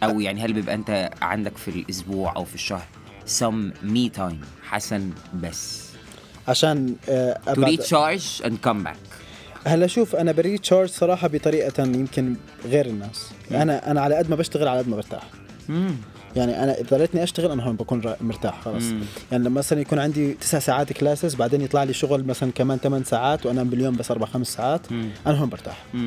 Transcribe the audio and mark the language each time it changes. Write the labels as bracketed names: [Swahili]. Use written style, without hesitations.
[Arabic] أو يعني هل بيبقى أنت عندك في الأسبوع أو في الشهر [English] some me time [Arabic] حسن بس عشان [English] to recharge and come back. [Arabic] هلا شوف أنا بريتشارج صراحة بطريقة يمكن غير الناس. أنا على قد ما بشتغل على قد ما برتاح. يعني أنا إذا ضليتني أشتغل أنا هون بكون مرتاح خلاص. يعني لما مثلا يكون عندي 9 ساعات كلاسز بعدين يطلع لي شغل مثلا كمان 8 ساعات وأنا باليوم بس 4-5 ساعات أنا هون برتاح.